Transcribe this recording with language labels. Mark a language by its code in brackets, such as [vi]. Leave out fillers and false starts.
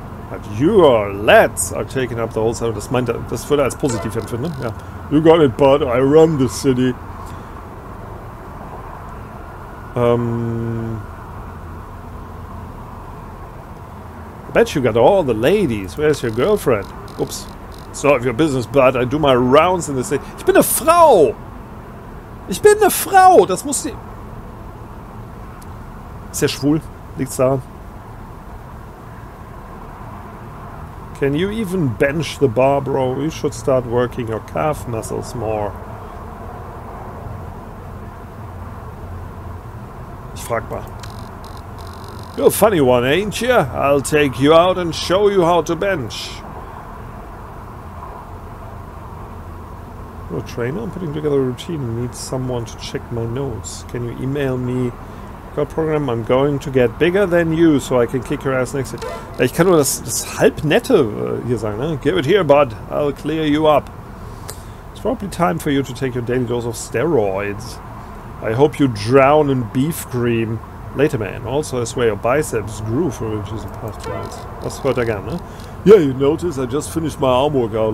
[en] But your lads are taking up the whole city. [de] Das meint er, das würde er als positiv empfinden, ne? Ja. [en] You got it, bud. I run the city. I bet you got all the ladies. Where's your girlfriend? Oops. It's none of your business, bud. I do my rounds in the city. [de] Ich bin eine Frau! Ich bin eine Frau! Das muss sie. Ist ja schwul. Liegt's daran? [en] Can you even bench the bar, bro? You should start working your calf muscles more. [de] Ich frag mal. [en] You're a funny one, ain't you? I'll take you out and show you how to bench. Oh, trainer, I'm putting together a routine and need someone to check my notes. Can you email me? Got program, I'm going to get bigger than you, so I can kick your ass next year. [de] Ja, ich kann nur das halb nette hier sagen, ne? [en] Give it here, bud. I'll clear you up. It's probably time for you to take your daily dose of steroids. I hope you drown in beef cream. Later, man. Also, I swear your biceps grew for inches in past months. [de] Das hört er gern, ne? [en] Yeah, you notice, I just finished my arm workout.